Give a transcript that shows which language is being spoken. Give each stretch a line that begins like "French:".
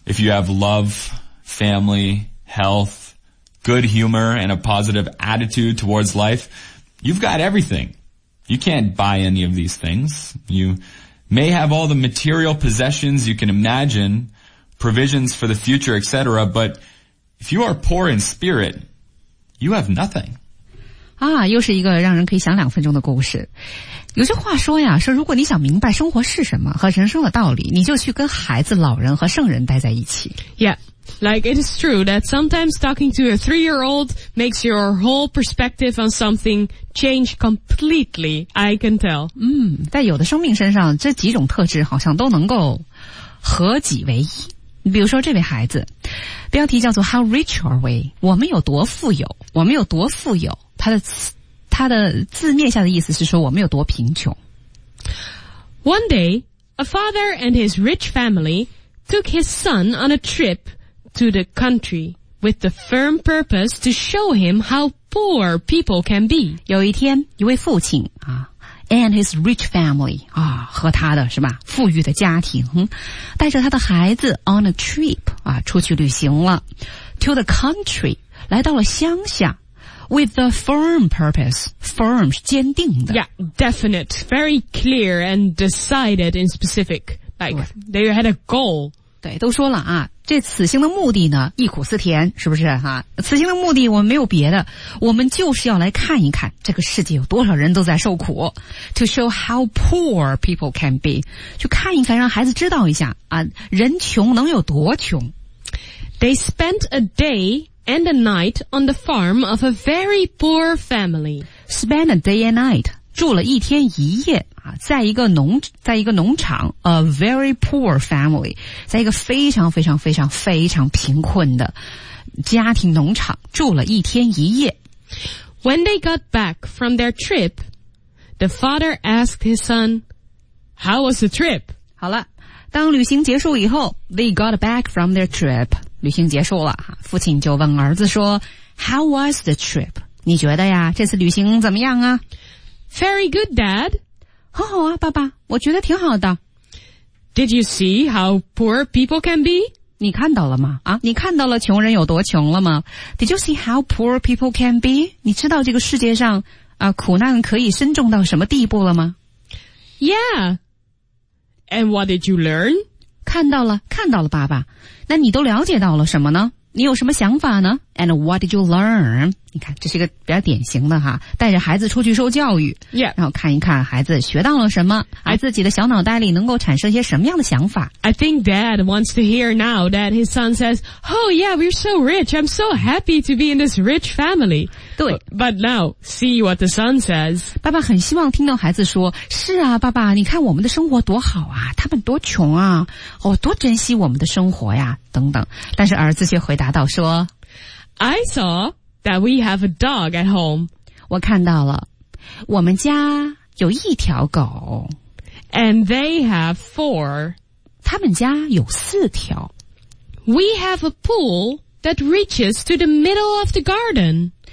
English: If you have love, family, health, good humor, and a positive attitude towards life, you've got everything. You can't buy any of these things. You may have all the material possessions you can imagine, provisions for the future, etc., but if you are poor in spirit, you have nothing.
Chinese: 啊，又是一个让人可以想两分钟的故事。有些话说呀，说如果你想明白生活是什么和人生的道理，你就去跟孩子、老人和圣人待在一起。
English: Yeah, like it is true that sometimes talking to a three-year-old makes your whole perspective on something change completely. I can tell.
Chinese: 嗯，在有的生命身上，这几种特质好像都能够合己为一。比如说这位孩子，标题叫做
English: How rich are we?
Chinese: 我们有多富有？我们有多富有？他的字面下的意思是说我们有多贫穷。
English: One day, a father and his rich family took his son on a trip to the country with the firm purpose to show him how poor people can be.
Chinese: 有一天，一位父亲啊 ，
English: and his rich family
Chinese: 啊，和他的是吧，富裕的家庭，带着他的孩子
English: on a trip
Chinese: 啊，出去旅行了 ，
English: to the country
Chinese: 来到了乡下。
English: With a firm purpose. Firm
Chinese: 是坚定的。
English: Yeah, definite. Very clear and decided in specific. Like, they had a goal.
Chinese: 对，都说了啊，这此行的目的呢，忆苦思甜，是不是啊？此行的目的我们没有别的，我们就是要来看一看这个世界有多少人都在受苦。
English: To show how poor people can be.
Chinese: 去看一看，让孩子知道一下啊，人穷能有多穷。
English: They spent a day... and a night on the farm of a very poor family. Spend a day and night.
Chinese: 住了一天一夜在一个农场
English: a very poor family.
Chinese: 在一个非常非常非常非常贫困的家庭农场住了一天一夜。
English: When they got back from their trip, the father asked his son, How was the trip?
Chinese: 好了，当旅行结束以后
English: they got back from their trip.
Chinese: 旅行结束了，父亲就问儿子说
English: How was the trip?
Chinese: 你觉得呀，这次旅行怎么样啊？
English: Very good, Dad.
Chinese: 很好啊，爸爸，我觉得挺好的。
English: Did you see how poor people can be?
Chinese: 你看到了吗？啊，你看到了穷人有多穷了吗？ Did you see how poor people can be? 你知道这个世界上啊，苦难可以深重到什么地步了吗？
English: Yeah. And what did you learn?
Chinese: 看到了，看到了，爸爸。那你都了解到了什么呢？你有什么想法呢 ？
English: And what did you learn?
Chinese: 你看，这是一个比较典型的哈，带着孩子出去受教育，
English: yeah.
Chinese: 然后看一看孩子学到了什么，自己的小脑袋里能够产生一些什么样的想法。
English: I think Dad wants to hear now that his son says, "Oh yeah, we're so rich. I'm so happy to be in this rich family."
Chinese: 对
English: ，But now see what the son says.
Chinese: 爸爸很希望听到孩子说：“是啊，爸爸，你看我们的生活多好啊，他们多穷啊，哦，多珍惜我们的生活呀。” 等等，但是儿子却回答道说
English: I saw that we have a dog at home.
Chinese: 我看到了，我们家有一条狗。
English: And they have four.
Chinese: 他们家有四条。
English: We have a pool that reaches to the middle of the garden.